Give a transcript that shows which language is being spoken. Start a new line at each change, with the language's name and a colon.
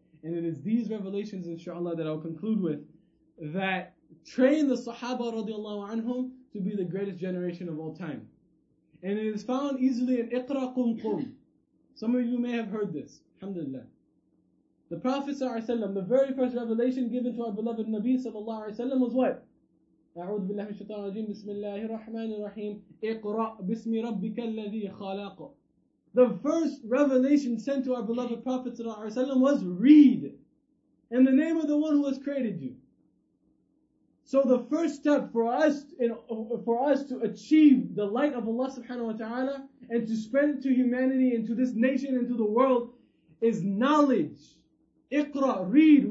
English: And it is these revelations, inshallah, that I'll conclude with, that train the Sahaba radiallahu anhum to be the greatest generation of all time. And it is found easily in Iqra Qum Qum. Some of you may have heard this. Alhamdulillah. The Prophet sallallahu alayhi wa sallam, the very first revelation given to our beloved Nabi sallallahu alayhi wa sallam was what?
Arabic: أعوذ بالله من الشيطان الرجيم بسم الله الرحمن الرحيم اقرأ بسم ربك الذي خلق.
English: The first revelation sent to our beloved Prophet sallallahu alaihi wasallam was read in the name of the one who has created you. So the first step for us to achieve the light of Allah subhanahu wa ta'ala and to spread it to humanity and to this nation and to the world is knowledge. اقرأ, read.